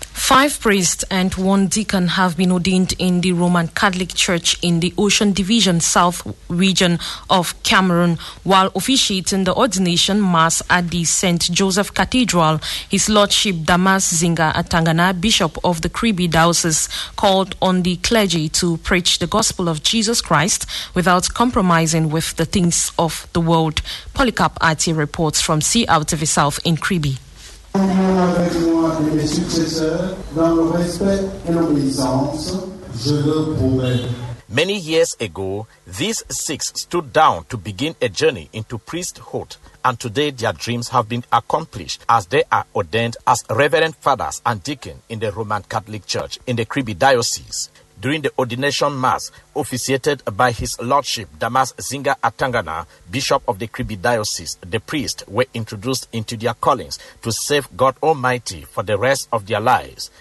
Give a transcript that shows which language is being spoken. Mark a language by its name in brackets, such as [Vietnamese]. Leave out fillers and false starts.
[English] Five priests and one deacon have been ordained in the Roman Catholic Church in the Ocean Division South region of Cameroon while officiating the ordination mass at the St. Joseph Cathedral. His Lordship Damas Zinga Atangana, Bishop of the Kribi Diocese, called on the clergy to preach the gospel of Jesus Christ without compromising with the things of the world. Polycarp Ati reports from CRTV South in Kribi. [French] Bonjour avec moi et mes successeurs, dans le respect et l'obéissance, je le promets. [English] Many years ago, these six stood down to begin a journey into priesthood, and today their dreams have been accomplished as they are ordained as Reverend Fathers and Deacons in the Roman Catholic Church in the Kribi Diocese. During the ordination mass, officiated by His Lordship Damas Zinga Atangana, Bishop of the Kribi Diocese, the priests were introduced into their callings to serve God Almighty for the rest of their lives.